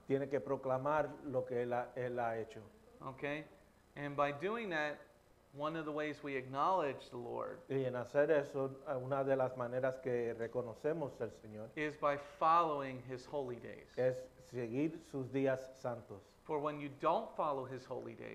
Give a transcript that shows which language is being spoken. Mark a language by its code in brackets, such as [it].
[es] Tiene que proclamar lo que él ha hecho. [en] Okay? And by doing that, one of the ways we acknowledge the Lord. [es] Y en hacer eso, una de las maneras que reconocemos al Señor. [en] Is by following his holy days. [es] Es seguir sus días santos. [en] For when you don't follow his holy days.